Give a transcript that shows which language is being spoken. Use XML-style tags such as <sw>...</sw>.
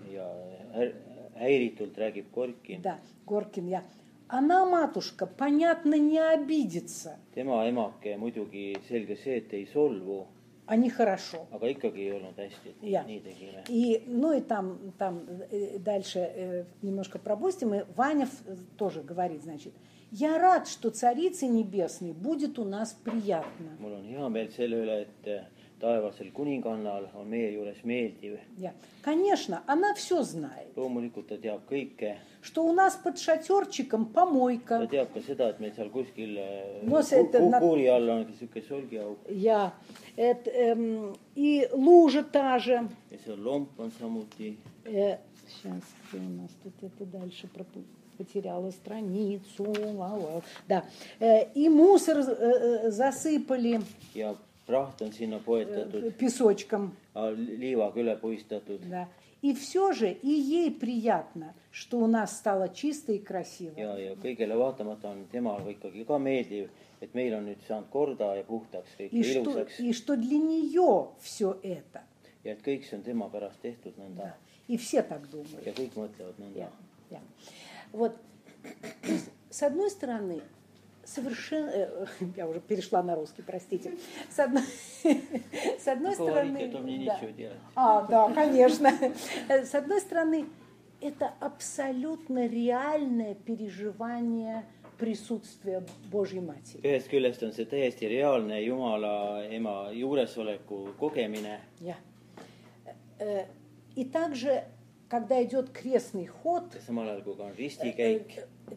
<et>Ja häiritult räägib Горкин. Da, Горкин, ja.</et> <ru>Она, матушка, понятно, не обидится.</ru> <et>Tema emake muidugi selge see, et ei solvu.</et> <ru>Они хорошо.</ru> <et>Aga ikkagi ei olnud hästi, et ja. Nii tegime.</et> <ru>И, ну и там дальше немножко пропустим. И Ванев тоже говорит, значит, я рад, что царица небесная будет у нас приятно.</ru> <et>Mul on hea meel selle üle, et taevasel kuningannal on meie juures meeldiv.</et> <ru>Ja, конечно, она все знает.</ru> <et>Loomulikult ta teab kõike.</et> <ru>Что у нас под шатерчиком помойка.</ru> <et>Ta teab ka seda, et meil seal kuskil kuuri all on sõike solgi auk. Ja, et</et> <ru>и лужа та же.</ru> <et>Ja see lomp on samuti.</et> <ru>Сейчас, где у нас тут это дальше пропустим. Потеряла страницу. Да. И мусор засыпали.</ru> <et>Ja praht on sinna poetatud.</et> <ru>Песочком.</ru> <et>Liivaga üle puistatud.</et> <ru>Да. И все же и ей приятно, что у нас стало чисто и красиво.</ru> <et>Ja kõigele vaatamata on temal ikkagi ka meeldiv, et meil on nüüd saanud korda ja puhtaks kõik ilusaks.</et> <ru>И что для нее все это.</ru> <et>Ja et kõik see on tema pärast tehtud nõnda.</et> <ru>Да. И все так думают.</ru> <et>Ja kõik mõtlevad nõnda. Ja, ja.</et> <ru>Вот, с одной стороны, совершенно... Я уже перешла на русский, простите. С одной стороны... Говорить, это мне нечего делать. А, да, конечно. С одной стороны, это абсолютно реальное переживание присутствия Божьей Матери.</ru> <et>Ühest küljest on see täiesti reaalne Jumala ema juuresoleku kogemine. Ja.</et> <ru>И также, когда идет крестный ход,</ru> <et>samal ajal, kui on ristikäik,</et>